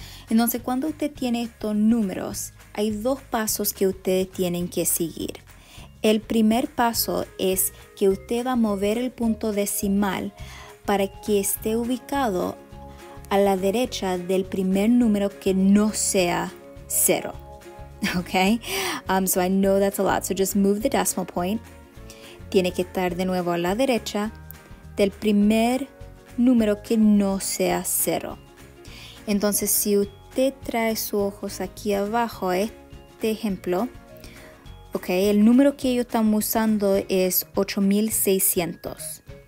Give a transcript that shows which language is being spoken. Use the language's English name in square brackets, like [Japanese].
[Spanish] Entonces, cuando usted tiene estos números, hay dos pasos que ustedes tienen que seguir. El primer paso es que usted va a mover el punto decimal para que esté ubicado a la derecha del primer número que no sea cero. Okay? [English] So I know that's a lot. So just move the decimal point. [Spanish] Tiene que estar de nuevo a la derecha del primer número que no sea cero. Entonces, si usted trae sus ojos aquí abajo, este ejemplo. Okay, el número que ellos están usando es 8600.